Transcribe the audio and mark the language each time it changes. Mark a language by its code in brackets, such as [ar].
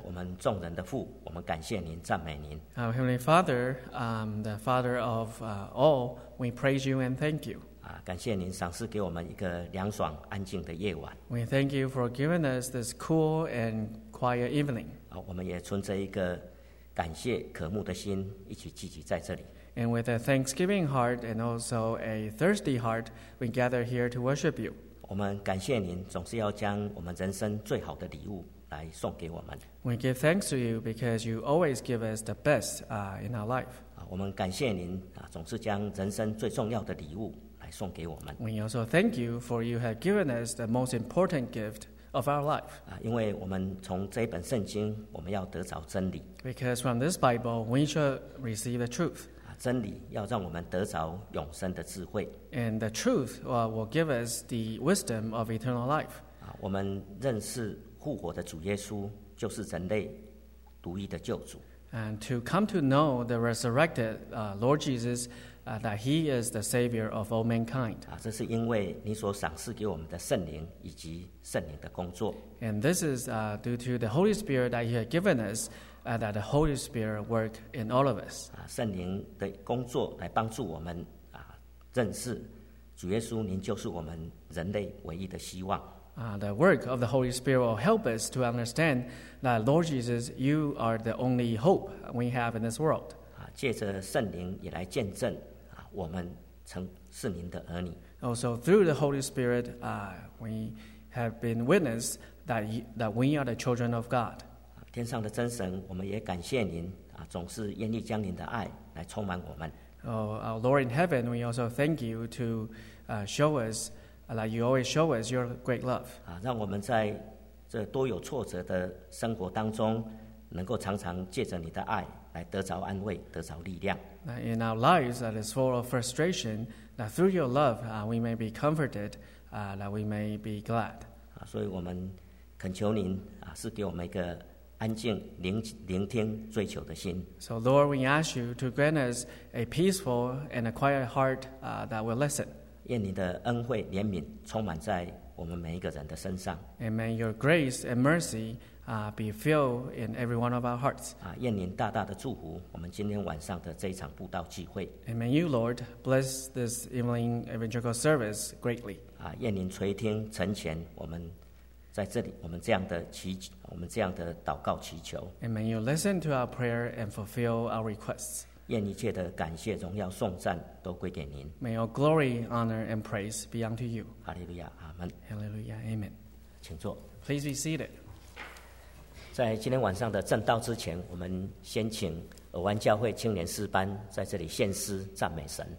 [zh] 们众人的父，我们感谢您，赞美您。 [en] Our Heavenly Father, the Father of all, we praise you and thank you. [zh] 感谢您赏赐给我们一个凉爽安静的夜晚。 [en] We thank you for giving us this cool and quiet evening. [zh] 我们也存着一个感谢渴慕的心，一起聚集在这里。 [en] And with a thanksgiving heart and also a thirsty heart, we gather here to worship you. [zh] 我们感谢您，总是要将我们人生最好的礼物来送给我们。 [en] We give thanks to you because you always give us the best in our life. [zh] 我们感谢您总是将人生最重要的礼物来送给我们。 [en] We also thank you for you have given us the most important gift of our life. [zh] 因为我们从这本圣经，我们要得着真理。 [en] Because from this Bible, we should receive the truth. [zh] 真理要让我们得着永生的智慧。 [en] And the truth will give us the wisdom of eternal life. [zh] 我们认识复活的主耶稣就是人类独一的救主。 [en] And to come to know the resurrected Lord Jesus, that He is the Savior of all mankind. [zh] 这是因为你所赏赐给我们的圣灵以及圣灵的工作。 [en] And this is due to the Holy Spirit that He has given us, that the Holy Spirit worked in all of us. [zh] 圣灵的工作来帮助我们认识主耶稣，您就是我们人类唯一的希望。 [en] The work of the Holy Spirit will help us to understand that Lord Jesus, you are the only hope we have in this world. [zh] 借着圣灵也来见证我们成是您的儿女。 [en] Also through the Holy Spirit, we have been witness that we are the children of God. [zh] 天上的真神，我们也感谢您总是愿意将您的爱来充满我们。 [en] Our Lord in heaven, we also thank you to show us that you always show us your great love. [zh] 让我们在这多有挫折的生活当中，能够常常借着你的爱来得着安慰，得着力量。 [en] In our lives that is full of frustration, that through your love, we may be comforted, that we may be glad. [zh] 所以我们恳求您，是给我们一个安静聆听追求的心。 [en] So Lord, we ask you to grant us a peaceful and a quiet heart, that will listen. [zh] 愿你的恩惠怜悯充满在我们每一个人的身上。 [en] And may your grace and mercy be filled in every one of our hearts. [zh] 愿您大大的祝福我们今天晚上的这一场布道聚会。 [en] And may you, Lord, bless this evening evangelical service greatly. [zh] 愿您垂听成全我们在这里我们这样的祷告祈求。 [en] And may you listen to our prayer and fulfill our requests. [zh] 愿一切的感谢、荣耀、颂赞都归给您。 [en] May all glory, honor, and praise be unto you. Hallelujah, Amen. Hallelujah, Amen. [zh] 请坐。 [en] Please be seated. [zh] 在今天晚上的正道之前，我们先请尔湾教会青年诗班在这里献诗赞美神。